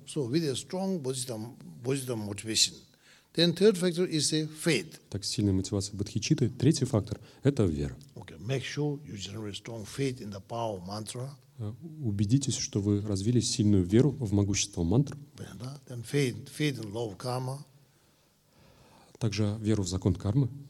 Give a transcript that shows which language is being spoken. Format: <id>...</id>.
<en>So with a strong Bodhicitta motivation, then third factor is a faith.</en> <ru>Так, сильная мотивация бодхичитты, третий фактор – это вера.</ru> <en>Okay, make sure you generate strong faith in the power of mantra.</en> <ru>Убедитесь, что вы развили сильную веру в могущество мантр.</ru> <en>Then faith in law of karma.</en> <ru>Также веру в закон кармы.</ru>